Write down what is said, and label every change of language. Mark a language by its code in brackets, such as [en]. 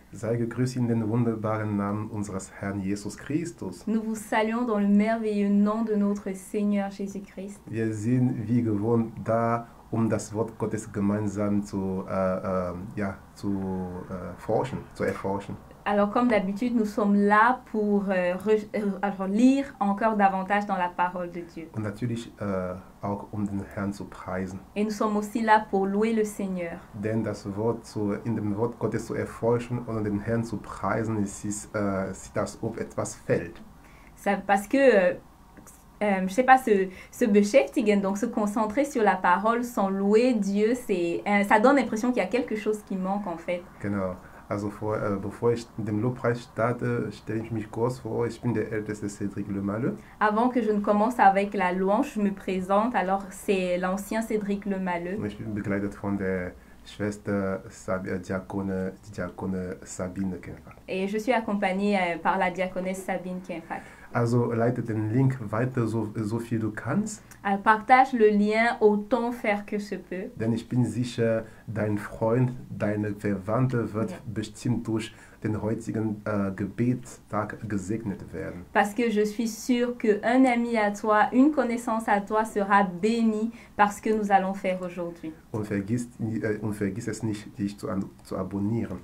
[de] sei gegrüßt in den wunderbaren Namen unseres Herrn Jesus Christus. [fr] Nous vous saluons dans le merveilleux nom de notre Seigneur Jésus-Christ. [de] Wir sind wie gewohnt da, um das Wort Gottes gemeinsam zu erforschen. [fr] Alors, comme d'habitude, nous sommes là pour lire encore davantage dans la parole de Dieu. [de] Und natürlich auch um den Herrn zu preisen. [fr] Et nous sommes aussi là pour louer le Seigneur. [de] Denn das Wort in dem Wort Gottes zu erforschen und den Herrn zu preisen, ist das, ob etwas fällt. [fr] Ça, parce que, je sais pas, se [de] beschäftigen, [fr] donc se concentrer sur la parole sans louer Dieu, ça donne l'impression qu'il y a quelque chose qui manque en fait. [de] Genau. Also bevor ich den Lobpreis starte, stelle ich mich kurz vor. Ich bin der älteste Cédric Lemalleux. [fr] Avant que je ne commence avec la louange, je me présente. Alors, c'est l'ancien Cédric Lemalleux. [de] Ich bin begleitet von der Schwester Diakone Sabine Kempfack. [fr] Et je suis accompagnée par la diaconesse Sabine Kempfack. [de] Also leite den Link weiter so viel du kannst. [fr] Partage le lien autant faire que se peut. [de] Denn ich bin sicher, dein Freund, deine Verwandte wird bestimmt durch den heutigen Gebetstag gesegnet werden. [fr] Parce que je suis sûr que un ami à toi, une connaissance à toi sera béni parce que nous allons faire aujourd'hui. [de] Und vergiss es nicht, dich zu abonnieren.